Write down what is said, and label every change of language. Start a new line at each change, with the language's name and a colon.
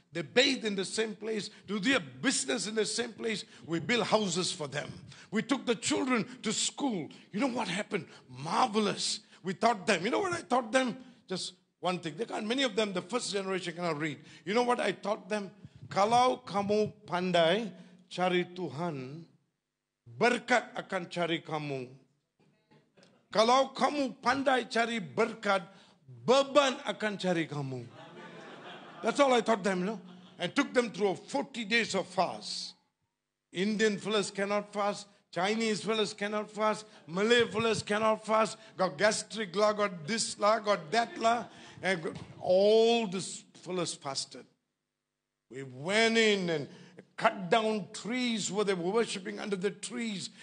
English: They bathe in the same place. Do their business in the same place. We build houses for them. We took the children to school. You know what happened? Marvelous. We taught them. You know what I taught them? Just one thing. They can't. Many of them, the first generation, cannot read. You know what I taught them?
Malay: Kalau kamu pandai cari Tuhan, berkat akan cari kamu. Kalau kamu pandai cari berkat, beban akan cari kamu.
English: That's all I taught them, you know. I took them through 40 days of fast. Indian fellas cannot fast. Chinese fellas cannot fast. Malay fellas cannot fast. Got gastric la, got this la, got that la. And all these fellas fasted. We went in and cut down trees where they were worshipping under the trees.